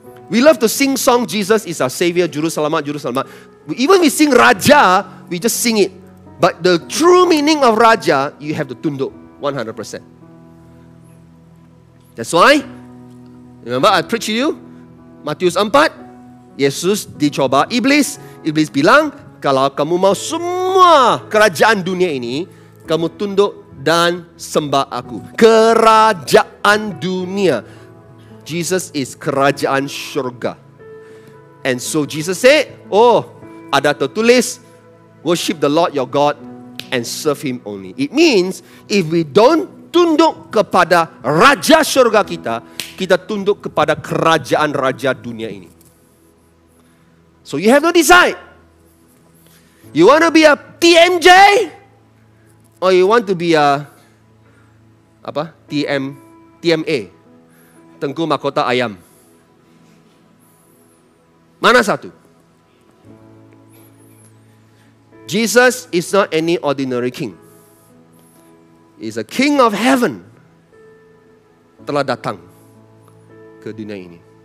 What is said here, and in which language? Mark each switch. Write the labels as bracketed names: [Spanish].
[English] We love to sing song, Jesus is our savior, Juruselamat, Juruselamat. Even we sing raja, we just sing it. But the true meaning of raja, you have to tunduk 100%. That's why, remember I preach to you, Matius 4, [Malay] Yesus dicoba iblis. Iblis bilang, kalau kamu mau semua kerajaan dunia ini, kamu tunduk dan sembah aku. Kerajaan dunia. [English] Jesus is [Malay] kerajaan syurga. [English] And so Jesus said, [Malay] ada tertulis, [English] worship the Lord your God and serve him only. It means, if we don't [Malay] tunduk kepada raja syurga kita, kita tunduk kepada kerajaan raja dunia ini. [English] So you have to decide. You want to be a TMJ? Or you want to be a TMA? [Malay] Tengku Mahkota Ayam. Mana satu? [English] Jesus is not any ordinary king. He's a king of heaven. [Malay] Telah datang ke dunia ini.